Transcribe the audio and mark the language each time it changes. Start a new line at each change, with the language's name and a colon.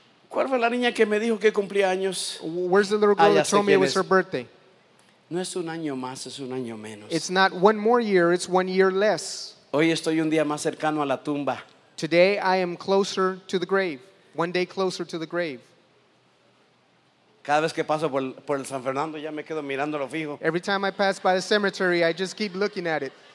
Spanish: ¿Cuál fue la niña que me dijo que cumplía años?
English: Where's the little girl that told me it was her birthday?
Spanish: No es un año más, es un año menos.
English: It's not one more year, it's one year less.
Spanish: Hoy estoy un día más cercano a la tumba.
English: Today I am closer to the grave. One day closer to the grave.
Spanish: Cada vez que paso por el San Fernando ya me quedo mirándolo fijo.
English: Every time I pass by the cemetery, I just keep looking at it.